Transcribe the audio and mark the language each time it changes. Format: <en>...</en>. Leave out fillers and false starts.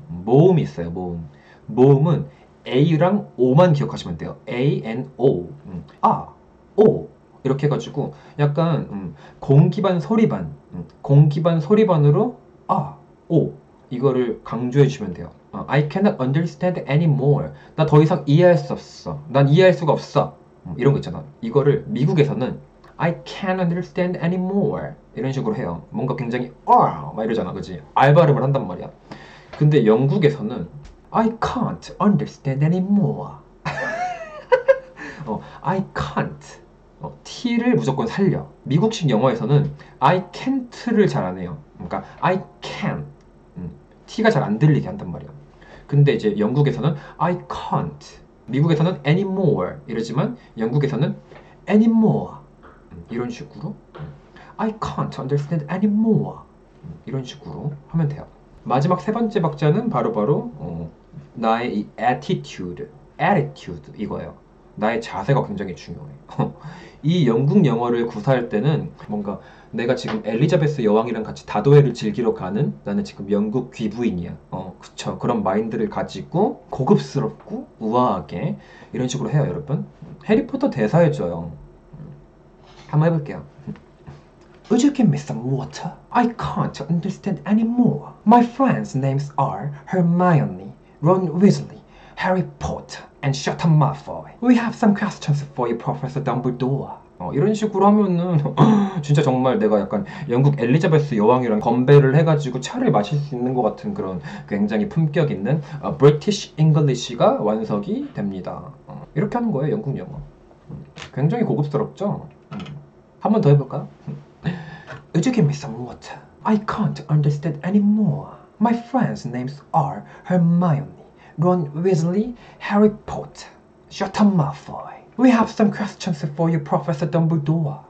<ko>모음이 있어요, 모음. 모음은 A랑 O만 기억하시면 돼요.</ko> <en>A and O. A, O.</en> <ko>이렇게 해가지고 약간 공기 반 소리 반. 공기 반 소리 반으로 A, O. 이거를 강조해 주시면 돼요.</ko> <en>I cannot understand anymore.</en> <ko>나더 이상 이해할 수 없어. 난 이해할 수가 없어. 이런 거 있잖아. 이거를 미국에서는</ko> <en>I can't understand anymore.</en> <ko>이런 식으로 해요. 뭔가 굉장히 아막 이러잖아, 그지? R 발음을 한단 말이야. 근데 영국에서는</ko> <en>I can't understand anymore. I can't.</en> <ko>T를 무조건 살려. 미국식 영어에서는 I can't를 잘안 해요. 그러니까</ko> <en>I can.</en> <ko>T가 잘안 들리게 한단 말이야. 근데 이제 영국에서는</ko> <en>I can't.</en> <ko>미국에서는 anymore 이러지만 영국에서는 anymore. 이런 식으로</ko> <en>I can't understand anymore</en> <ko>이런 식으로 하면 돼요. 마지막 세 번째 박자는 바로 나의 이 attitude 이거예요. 나의 자세가 굉장히 중요해. 이 영국 영어를 구사할 때는 뭔가 내가 지금 엘리자베스 여왕이랑 같이 다도회를 즐기러 가는 나는 지금 영국 귀부인이야. 그쵸. 그런 마인드를 가지고 고급스럽고 우아하게 이런 식으로 해요, 여러분. 해리포터 대사해줘요. 한번 해볼게요.</ko> <en>Would you give me some water? I can't understand anymore. My friends' names are Hermione, Ron Weasley, Harry Potter, and Shut up Malfoy. We have some questions for you, Professor Dumbledore.</en> <ko>이런 식으로 하면은 진짜 정말 내가 약간 영국 엘리자베스 여왕이랑 건배를 해가지고 차를 마실 수 있는 것 같은 그런 굉장히 품격 있는 British English가 완성이 됩니다. 이렇게 하는 거예요, 영국 영어. 굉장히 고급스럽죠? 한번더 해볼까요?</ko> <en>Would you give me some water? I can't understand anymore. My friends' names are Hermione, Ron Weasley, Harry Potter, Shut up Malfoy. We have some questions for you, Professor Dumbledore.</en>